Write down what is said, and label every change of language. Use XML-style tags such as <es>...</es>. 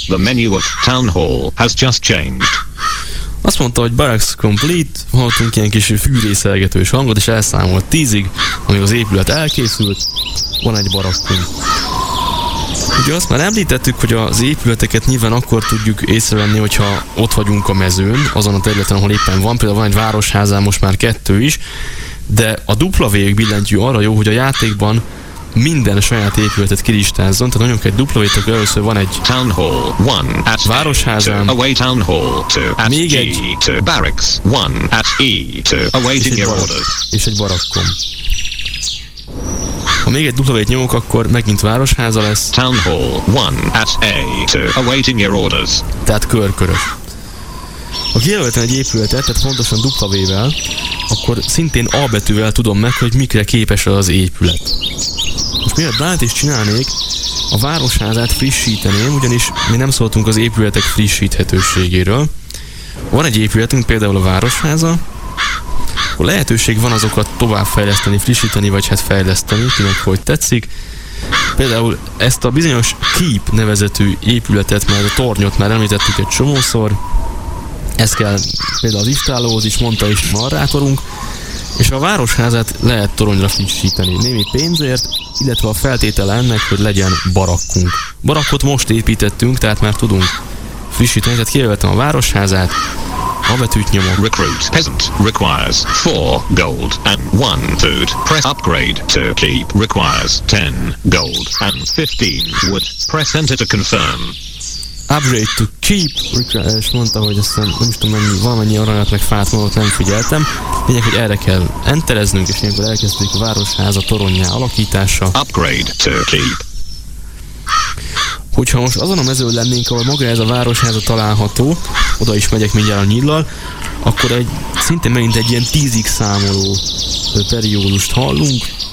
<en>The menu of town hall has just changed.</en> <hu>Azt mondta, hogy</hu> <en>barracks complete.</en> <hu>Hallottunk ilyen kis fűrészelgetős hangot, és elszámolt 10-ig, amíg az épület elkészült. Van egy barakkunk. Ugye azt már említettük, hogy az épületeket nyilván akkor tudjuk észrevenni, hogyha ott vagyunk a mezőn, azon a területen, ahol éppen van. Például van egy városházán, most már kettő is, de a dupla vég billentyű arra jó, hogy a játékban minden saját épületet kilistázzon. Tehát nagyon kell egy dupla vég, először van egy</hu> <en>town hall, one at</en> <hu>városházán,</hu> <en>two away town hall, two at</en> <hu>még</hu> <en>G,</en> <hu>egy</hu> <en>two barracks, one at E, two awaiting your orders.</en> <hu>És egy barakkom. Ha még egy dupla vét nyomok, akkor megint városháza lesz.</hu> <en>Town hall, one at A, two awaiting your orders.</en> <hu>Tehát körkörös. Ha kijelöltem egy épületet, tehát pontosan W-vel, akkor szintén A betűvel tudom meg, hogy mikre képes az épület. Most miért bárt is csinálnék, a városházát frissíteném, ugyanis mi nem szóltunk az épületek frissíthetőségéről. Van egy épületünk, például a városháza, akkor lehetőség van azokat továbbfejleszteni, frissíteni, vagy hát fejleszteni, kinek hogy tetszik. Például ezt a bizonyos keep nevezetű épületet, mert a tornyot már említettük egy csomószor. Ez kell például az istállóhoz is, mondta is narrátorunk. És a városházát lehet toronyra frissíteni némi pénzért, illetve a feltétele ennek, hogy legyen barakkunk. Barakkot most építettünk, tehát már tudunk frissíteni, tehát kijelöltem a városházát. A betűt nyomok.</hu> <en>Recruit peasant requires 4 gold and 1 food. Press upgrade to keep requires 10 gold and 15 wood. Press enter to confirm. Upgrade to keep requires,</en> <hu>mondta, hogy aztán nem tudom mennyi, valamennyi aranyat meg fát mondott, nem figyeltem. Lényeg, hogy erre kell entereznünk, és ilyenkor elkezdődik a városháza toronnyá alakítása.</hu> <en>Upgrade to keep.</en> <hu>Hogyha most azon a mezőn lennénk, ahol maga ez a városháza található, oda is megyek mindjárt a nyíllal, akkor egy szintén megint egy ilyen 10-ig számoló periódust hallunk.</hu>